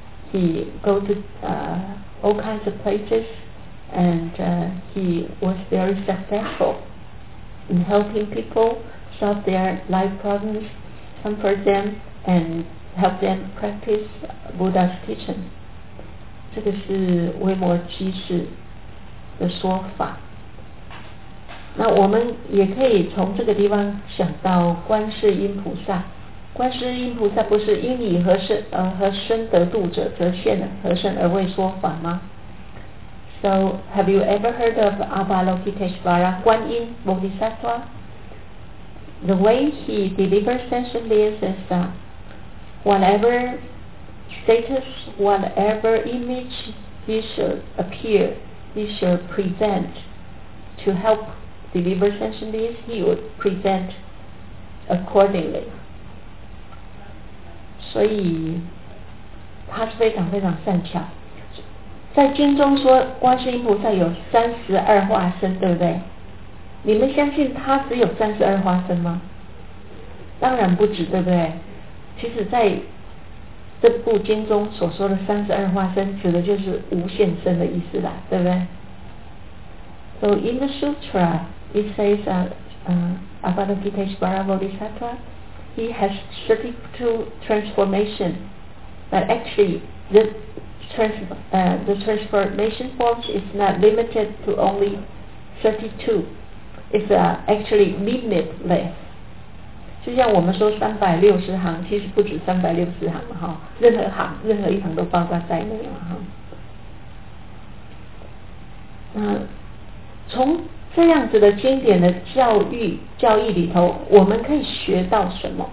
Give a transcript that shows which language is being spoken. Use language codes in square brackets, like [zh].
[en] He go to all kinds of places, and he was very successful in helping people solve their life problems, comfort them, and help them practice Buddha's teaching. [zh] 这个是维摩居士的说法。那我们也可以从这个地方想到观世音菩萨。观世音菩萨不是因以和身得度者则现和身而为说法吗？ [en] So have you ever heard of Avalokiteshvara, 观音 Bodhisattva? The way he delivers sentient beings is that whatever status, whatever image he should appear, he should present to help deliver sentient beings, he would present accordingly. [zh] 所以他是非常非常善巧，在经中说观世音菩萨有三十二化身，对不对？你们相信他只有三十二化身吗？当然不止，对不对？其实在这部经中所说的三十二化身指的就是无限身的意思啦，对不对？ [en] So in the sutra it says Avalokiteshvara Bodhisattva,He has 32 transformations, but actually the the transformation forms is not limited to only 32. It's actually limitless. [zh] 就像我们说360行，其实不止360行嘛，哈，任何行，任何一行都包括在内了，哈。那从这样子的经典的教义里头，我们可以学到什么？